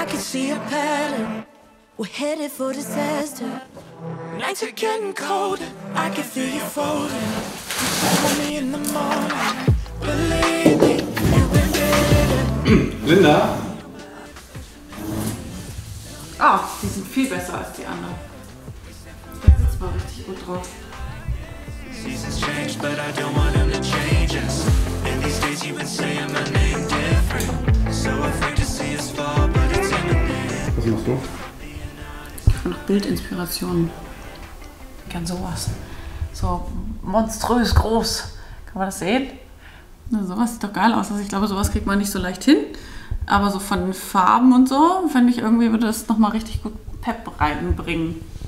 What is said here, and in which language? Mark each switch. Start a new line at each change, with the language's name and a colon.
English: We're headed for disaster. Nights are getting cold. I can feel you folding. Call me in the morning. Believe me, you've been bitter.
German: Linda. Oh, die sind viel besser als die anderen. Der sitzt mal richtig gut drauf.
English: Seasons change, but I don't want them to change us. In these days you've been saying my name different. So afraid to see us fall, but it's imminent.
German: Was machst du? Noch Bildinspirationen. Ich kann sowas. So monströs groß. Kann man das sehen? Na, sowas sieht doch geil aus. Also ich glaube, sowas kriegt man nicht so leicht hin. Aber so von den Farben und so, finde ich, irgendwie würde das nochmal richtig gut Pep reinbringen.